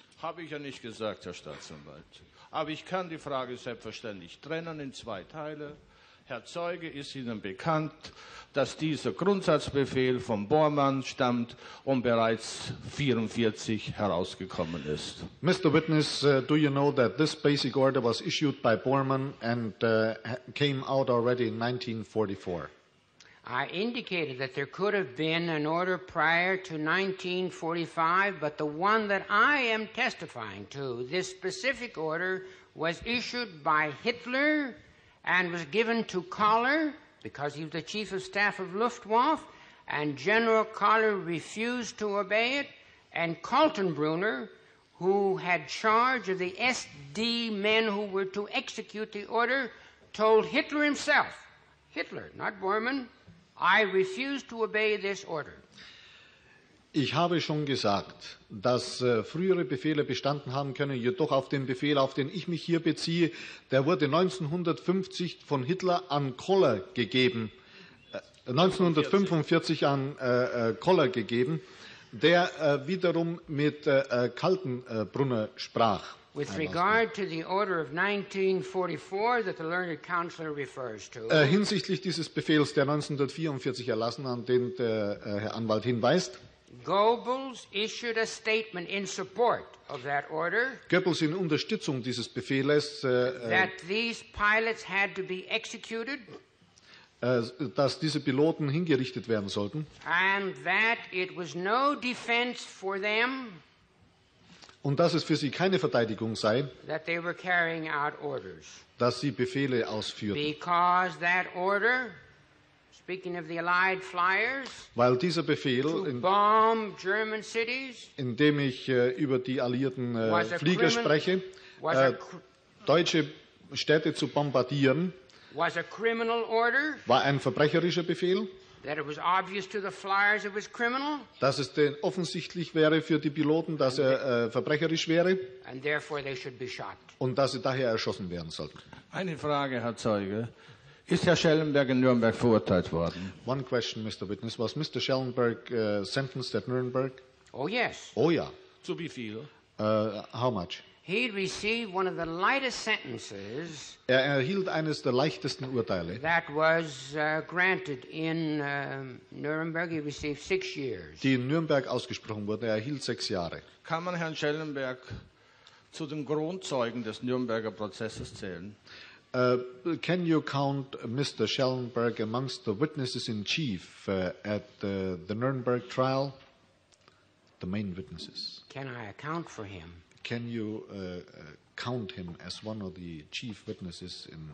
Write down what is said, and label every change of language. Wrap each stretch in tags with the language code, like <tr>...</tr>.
<de>Habe ich ja nicht gesagt, Herr Staatsanwalt. Aber ich kann die Frage selbstverständlich trennen in zwei Teile. Herr Zeuge, ist Ihnen bekannt, dass dieser Grundsatzbefehl von Bormann stammt und bereits 1944 herausgekommen ist?</de> <en>Mr. Witness, do you know that this basic order was issued by Bormann and came out already in 1944? I indicated that there could have been an order prior to 1945, but the one that I am testifying to, this specific order, was issued by Hitler and was given to Koller because he was the chief of staff of Luftwaffe, and General Koller refused to obey it, and Kaltenbrunner, who had charge of the SD men who were to execute the order, told Hitler himself, Hitler, not Bormann, I refuse to obey this order.</en> <de>Ich habe schon gesagt, dass frühere Befehle bestanden haben können, jedoch auf den Befehl, auf den ich mich hier beziehe, der wurde 1950 von Hitler an Koller gegeben, 1945 an Koller gegeben, der wiederum mit Kaltenbrunner sprach.</de> <en>With regard to the order of 1944 that the learned counselor refers to.</en> <de>Hinsichtlich dieses Befehls, der 1944 erlassen, an den der Herr Anwalt hinweist.</de> <en>Goebbels issued a statement in support of that order.</en> <de>Goebbels in Unterstützung dieses Befehls.</de> <en>That these pilots had to be executed.</en> <de>Dass diese Piloten hingerichtet werden sollten.</de> <en>And that it was no defense for them.</en> <de>Und dass es für sie keine Verteidigung sei,</de> <en>that they were carrying out orders.</en> <de>Dass sie Befehle ausführten.</de> <en>Because that order, speaking of the Allied flyers,</en> <de>weil dieser Befehl,</de> <en>to bomb German cities,</en> <de>in dem ich über die alliierten Flieger spreche, deutsche Städte zu bombardieren,</de> <en>was a criminal order,</en> <de>war ein verbrecherischer Befehl.</de> <en>That it was obvious to the flyers it was criminal.</en> <de>Dass es denn offensichtlich wäre für die Piloten, dass er verbrecherisch wäre.</de> <en>And therefore they should be shot.</en> <de>Und dass sie daher erschossen werden sollten. Eine Frage, Herr Zeuge. Ist Herr Schellenberg in Nürnberg verurteilt worden?</de> <en>One question, Mr. Witness. Was Mr. Schellenberg sentenced at Nürnberg? Oh, yes.</en> <de>Oh, ja. Zu wie viel?</de> <en>How much? He received one of the lightest sentences.</en> <de>Er erhielt eines der leichtesten Urteile.</de> <en>That was granted in Nürnberg. He received 6 years.</en> <de>Die in Nürnberg ausgesprochen wurde, er erhielt 6 Jahre. Kann man Herrn Schellenberg zu den Grundzeugen des Nürnberger Prozesses zählen?</de> <en>Can you count Mr. Schellenberg amongst the witnesses in chief at the Nürnberg trial? The main witnesses. Can I account for him? Can you count him as one of the chief witnesses in</en>